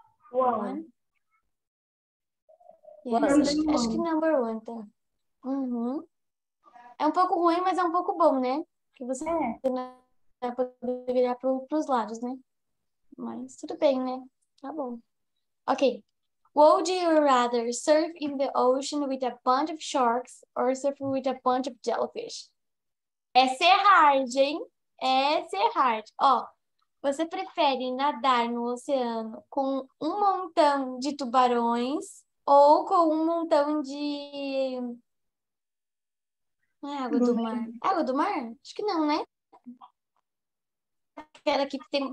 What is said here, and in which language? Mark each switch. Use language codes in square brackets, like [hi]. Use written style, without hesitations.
[en] One. one. [pt] Yes, acho que [en] number one, [pt] tá? É um pouco ruim, mas é um pouco bom, né? Que você não vai poder virar pro, pros lados, né? Mas tudo bem, né? Tá bom. Ok. [en] Would you rather surf in the ocean with a bunch of sharks or surf with a bunch of jellyfish? [pt] Essa é hard, hein? Essa é hard. Ó. Você prefere nadar no oceano com um montão de tubarões ou com um montão de... Não é água do mar? Água do mar? Acho que não, né? Aquela que tem...